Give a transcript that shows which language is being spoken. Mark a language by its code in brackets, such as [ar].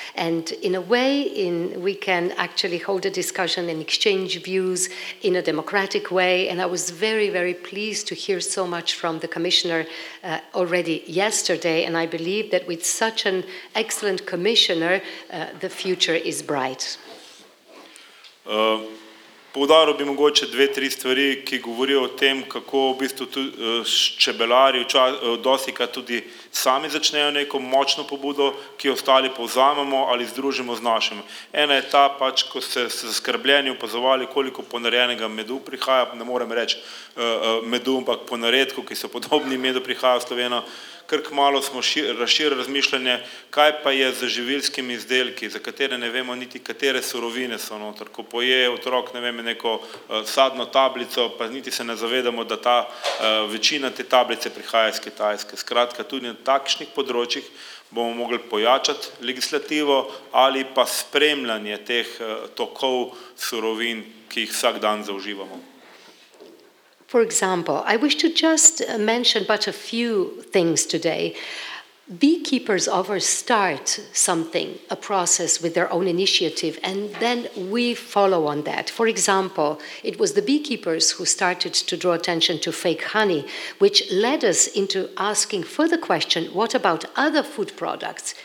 [en] And in a way, we can actually hold a discussion and exchange views in a democratic way. And I was very, very pleased to hear so much from the commissioner already yesterday. And I believe that with such an excellent commissioner, the future is bright. [sl] Poudaril bi mogoče dve, tri stvari, ki govorijo o tem, kako v bistvu tudi čebelari dosti krat tudi sami začnejo neko močno pobudo, ki ostali povzamemo ali združimo z našim. Ena je ta, pač, ko se zaskrbljeni opazovali, koliko ponarejenega medu prihaja, ne morem reči medu, ampak ponaredku, ki so podobni medu prihaja v Slovenijo, kar kmalo smo razširili razmišljanje, kaj pa je z živilskimi izdelki, za katere ne vemo niti katere surovine so noter. Ko poje otrok, ne vem, neko sadno tablico, pa niti se ne zavedamo, da ta večina te tablice prihaja iz Kitajske. Skratka, tudi na takšnih področjih bomo mogli pojačati legislativo ali pa spremljanje teh tokov surovin, ki jih vsak dan zauživamo. [en] For example, I wish to just mention but a few things today. Beekeepers often start something, a process with their own initiative, and then we follow on that. For example, it was the beekeepers who started to draw attention to fake honey, which led us into asking further question, what about other food products?